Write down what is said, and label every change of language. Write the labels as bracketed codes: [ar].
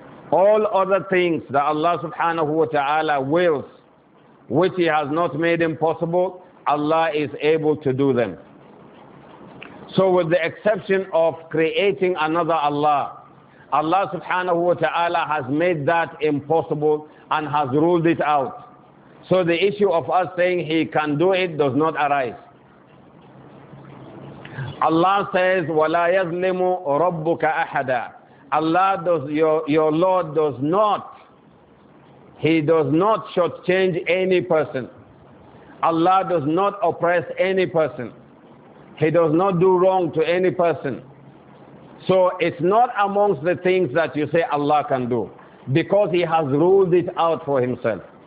[en] All other things that Allah subhanahu wa ta'ala wills, which He has not made impossible, Allah is able to do them. So with the exception of creating another Allah, Allah subhanahu wa ta'ala has made that impossible and has ruled it out. So the issue of us saying He can do it does not arise. Allah says, [ar] وَلَا يَظْلِمُ رَبُّكَ أَحَدًا. [en] Allah does, your Lord does not, He does not shortchange any person. Allah does not oppress any person. He does not do wrong to any person. So it's not amongst the things that you say Allah can do, because He has ruled it out for Himself.